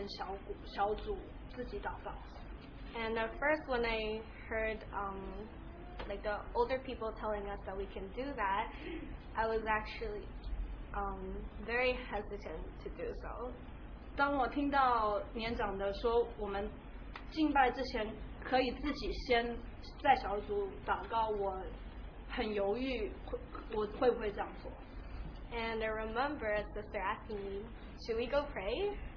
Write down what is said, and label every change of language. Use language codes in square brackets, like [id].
[zh] 这次我们特会敬拜之前，我们所有的年轻人都会自己聚集成小组自己祷告。 [en] And at first, when I heard like the older people telling us that we can do that, I was actually very hesitant to do so. [zh] 当我听到年长的说我们敬拜之前可以自己先在小组祷告，我很犹豫，我会不会这样做？ [en] And I remember a sister asking me, "Should we go pray?"